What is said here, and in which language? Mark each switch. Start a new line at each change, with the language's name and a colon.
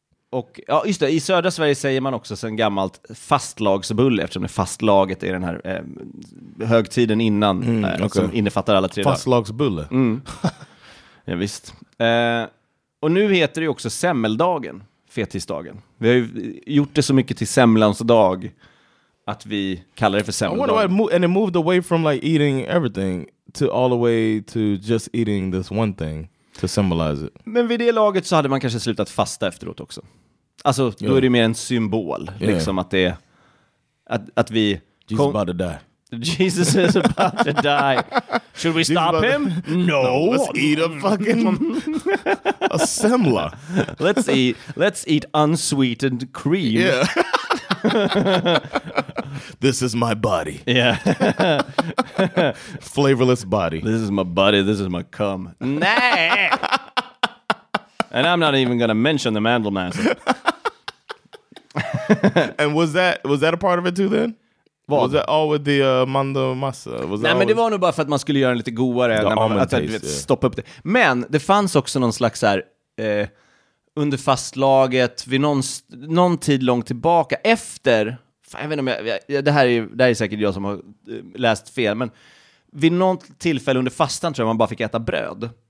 Swedish: Och ja, just det, i södra Sverige säger man också sen gammalt fastlagsbulle, eftersom det fastlaget är den här högtiden innan som innefattar alla tre fastlagsbulle. Ja, visst. Och nu heter det ju också semmeldagen, fetisdagen. Vi har ju gjort det så mycket till semlans dag att vi kallar det för semmeldagen.
English: And it moved away from like eating everything to all the way to just eating this one thing. To symbolize it.
Swedish: Men vid det laget så hade man kanske slutat fasta efteråt också. Alltså, då är det mer en symbol. Yeah. Liksom att det är... Att vi...
English: Jesus about to die. Jesus is about to die. Should we stop him? No. Let's eat a fucking... A semla. Let's eat unsweetened cream. Yeah. This is my body. Yeah. Flavorless body. This is my body. This is my cum. Nah. And I'm not even going to mention the Mandelmassen. And was that a part of it too then?
Swedish: Vad?
English: Was that all with the Mandelmassen?
Swedish: Nej, men det var nog bara för att man skulle göra en lite godare.
English: The almond taste,
Swedish: stoppa upp det. Men det fanns också någon slags här, under fastlaget, vid någon tid långt tillbaka, efter, fan, jag vet inte om det här är säkert jag som har läst fel, men vid något tillfälle under fastan tror jag man bara fick äta bröd.